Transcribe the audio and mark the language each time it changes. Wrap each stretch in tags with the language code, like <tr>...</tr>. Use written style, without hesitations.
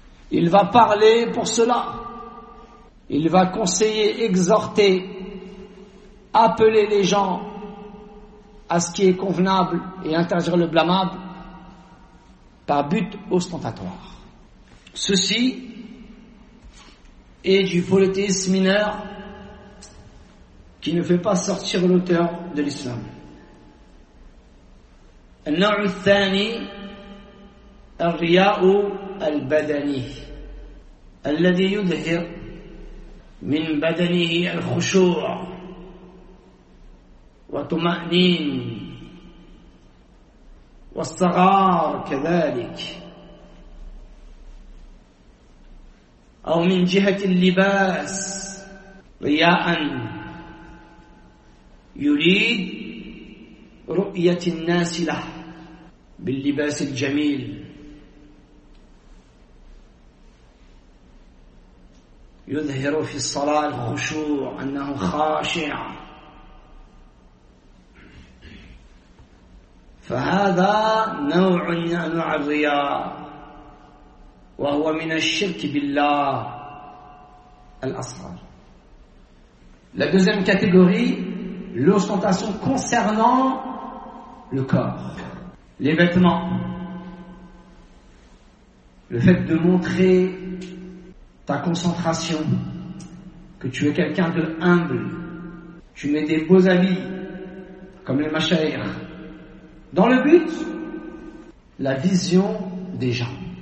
<fr>Il va parler pour cela. Il va conseiller, exhorter, appeler les gens à ce qui est convenable et interdire le blâmable par but ostentatoire. Ceci est du polythéisme mineur qui ne fait pas sortir l'auteur de l'islam.</fr> <ar>النوع الثاني الرياء البدني الذي يظهر من بدنه الخشوع وطمأنين والصغار كذلك أو من جهة اللباس رياء يريد رؤية الناس له باللباس الجميل يظهر في الصلاة الخشوع أنه خاشع فهذا نوع من أنواع الرياء وهو من الشرك بالله الأصغر.</ar> <fr>La deuxième catégorie, l'ostentation concernant le corps. Les vêtements, le fait de montrer ta concentration, que tu es quelqu'un de humble, tu mets des beaux habits, comme les machaires, dans le but, la vision des gens.</fr>